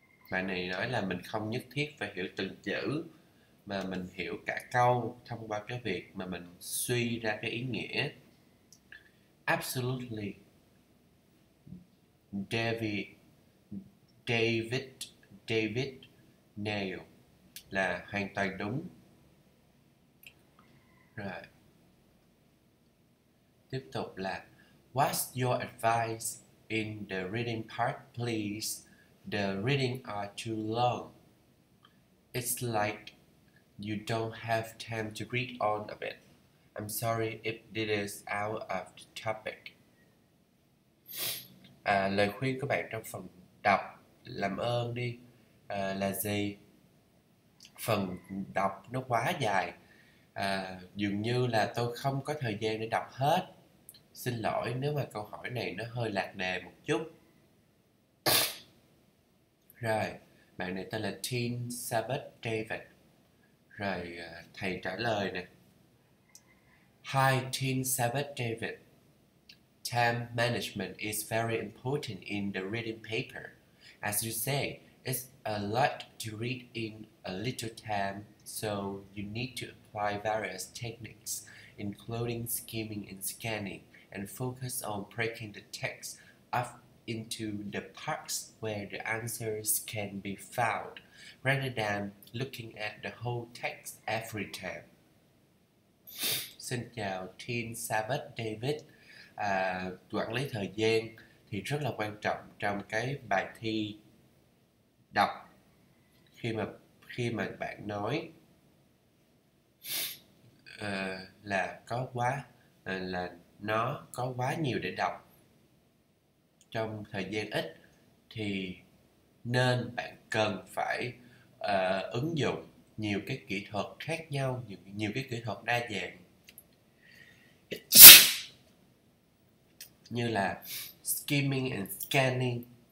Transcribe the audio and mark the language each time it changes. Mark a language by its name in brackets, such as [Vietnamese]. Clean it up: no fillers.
[Vietnamese] Bạn này nói là mình không nhất thiết phải hiểu từng chữ mà mình hiểu cả câu thông qua cái việc mà mình suy ra cái ý nghĩa. [English] Absolutely. [Vietnamese] David Nail là hoàn toàn đúng. Rồi. Tiếp tục là [English] What's your advice in the reading part, please? The reading are too long. It's like you don't have time to read all of it. I'm sorry if this is out of the topic. [Vietnamese] À, lời khuyên của bạn trong phần đọc làm ơn đi à, là gì? Phần đọc nó quá dài à, dường như là tôi không có thời gian để đọc hết. Xin lỗi nếu mà câu hỏi này nó hơi lạc đề một chút. Rồi, bạn này tên là Tim Sabat David. Rồi, thầy trả lời nè. Hi, Tim Sabat David. [English] Time management is very important in the reading paper. As you say, it's a lot to read in a little time, so you need to apply various techniques, including skimming and scanning, and focus on breaking the text up into the parts where the answers can be found, rather than looking at the whole text every time. [Vietnamese] Xin chào Team Sabbath David. À, quản lý thời gian thì rất là quan trọng trong cái bài thi đọc khi mà bạn nói là có quá là nó có quá nhiều để đọc trong thời gian ít thì nên bạn cần phải ứng dụng nhiều cái kỹ thuật khác nhau, nhiều cái kỹ thuật đa dạng như là skimming and scanning.